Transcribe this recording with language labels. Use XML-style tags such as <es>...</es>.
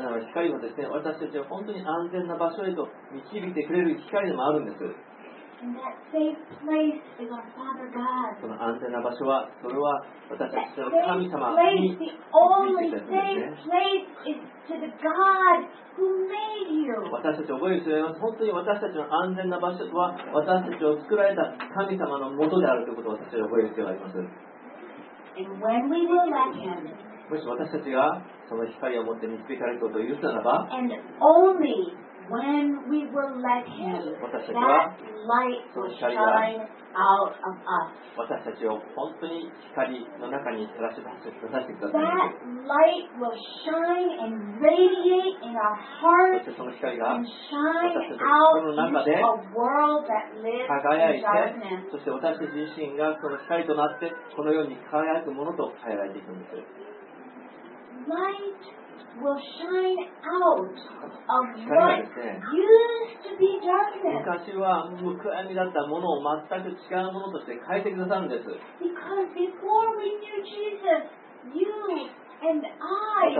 <ja>だから光はですね、私たちを本当に安全な場所へと導いてくれる光でもあるんです。</ja> <en>And that safe place is our Father God.</en> <ja>その安全な場所は、それは私たちの神様に。</ja> <en>That safe place, the only safe place, is to the God. Who made you?</en> <ja>私たちを覚えているよ。本当に私たちの安全な場所は私たちを作られた神様のもとであるということを私たちは覚えているようになります。</ja> <en>And when we will let him,</en> <ja>もし私たちがその光を持って導かれることを許すならば、</ja> <en>And only when we will let him,</en> <ja>私たちはその光が</ja> <en>Out of us.</en> <ja>私たちを本当に光の中に照らし出してくださいます。</ja> <en>That light will shine and radiate in our hearts and shine out into a world that lives in darkness.</en> <ja>そして私自身がその光となってこのように輝くものと変えられていくんです。</ja> <en>Light will shine out of what used to be darkness.</en> <ja>昔は暗闇だったものを全く違うものとして変えてくださるんです。</ja> <en>Because before we knew Jesus, you and I</en>